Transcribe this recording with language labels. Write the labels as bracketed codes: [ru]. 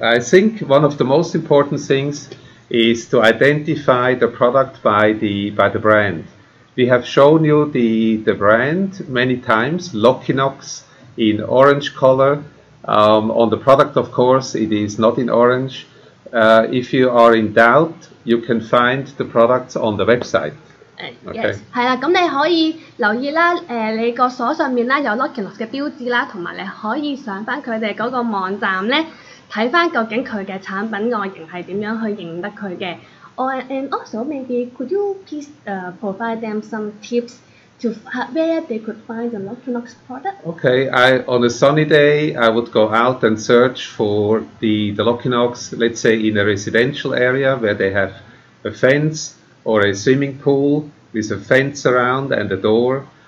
[en] I think one of the most important things is to identify the product by the brand. We have shown you the brand many times, Locinox. In orange color. On the product, of course, it is not in orange. If you are in doubt, you can find the products on the website. Okay. Yes. [yue] 咁你可以留意啦，你個鎖上面啦有 Locinox 嘅標誌啦，同埋你可以上翻佢哋嗰個網站咧，睇翻究竟佢嘅產品外形係點樣去認得佢嘅。 [en] And also, maybe could you please provide them some tips? To where they could find the Locinox product? Okay, on a sunny day, I would go out and search for the Locinox, let's say in a residential area where they have a fence or a swimming pool with a fence around and a door.